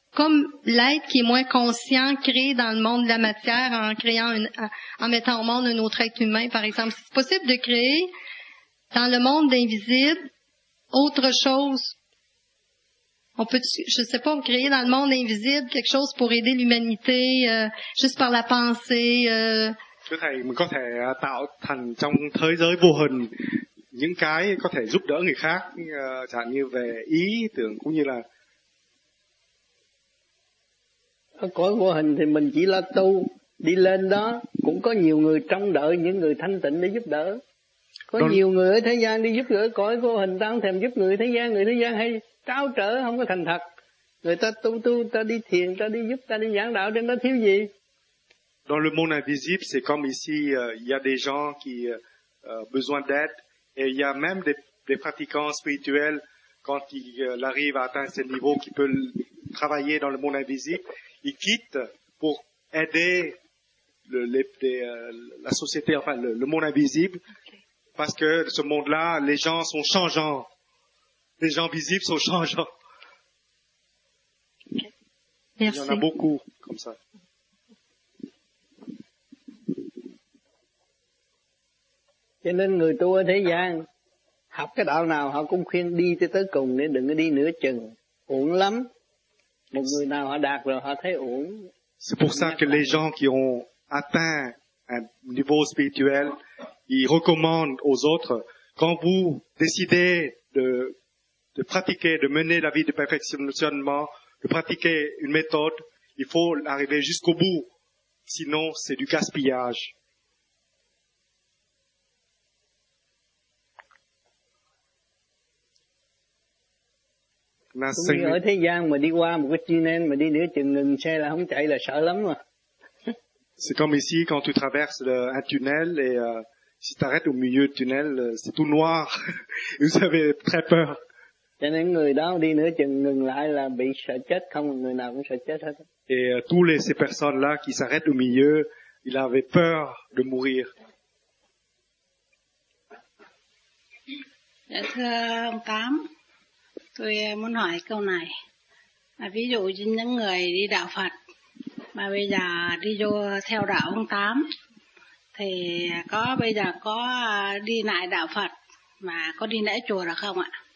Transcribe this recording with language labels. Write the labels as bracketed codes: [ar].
[fr] comme l'être qui est moins conscient créé dans le monde de la matière en créant une, en mettant au monde un autre être humain, par exemple. C'est possible de créer dans le monde invisible autre chose. On peut, je sais pas, créer dans le monde invisible quelque chose pour aider l'humanité, juste par la pensée, [vi] Có thể mình có thể tạo thành trong thế giới vô hình những cái có thể giúp đỡ người khác, chẳng hạn như về ý tưởng cũng như là cõi vô hình thì mình chỉ là tu đi lên đó, cũng có nhiều người trông đợi những người thanh tịnh để giúp đỡ. Có nhiều người ở thế gian đi giúp đỡ cõi vô hình, ta không thèm giúp người thế gian hay trao trở, không có thành thật. Người ta tu tu, ta đi thiền, ta đi giúp, ta đi giảng đạo trên đó thiếu gì. [fr] Dans le monde invisible, c'est comme ici, il y a des gens qui ont besoin d'aide, et il y a même des pratiquants spirituels, quand ils arrivent à atteindre ce niveau, qui peuvent travailler dans le monde invisible, ils quittent pour aider la société, enfin le monde invisible, parce que ce monde-là, les gens sont changeants, les gens visibles sont changeants. Okay. Merci. Il y en a beaucoup comme ça. [vi] Cho nên người tu ở thế gian học cái đạo nào họ cũng khuyên đi tới cùng, nên đừng có đi nửa chừng, uổng lắm. Một người nào họ đạt rồi họ thấy uổng. [fr] C'est pour ça que les gens qui ont atteint un niveau spirituel, ils recommandent aux autres, quand vous décidez de pratiquer, de mener la vie de perfectionnement, de pratiquer une méthode, il faut arriver jusqu'au bout, sinon c'est du gaspillage. [vi] Cũng như ở thế gian mà đi qua một cái tunnel mà đi nửa chừng ngừng xe là không chạy là sợ lắm mà. [fr] C'est comme ici quand tu traverses un tunnel et si tu arrêtes au milieu du tunnel, c'est tout noir. Vous avez très peur. [vi] Cho nên người đó đi nửa chừng ngừng lại là bị sợ chết, không người nào cũng sợ chết hết. [fr] Et tous ces personnes là qui s'arrêtent au milieu, ils avaient peur de mourir. [vi] Dạ thưa ông Tám, tôi muốn hỏi câu này. Ví dụ như những người đi đạo Phật mà bây giờ đi vô theo đạo ông Tám, thì có bây giờ có đi lại đạo Phật mà có đi lễ chùa được không ạ?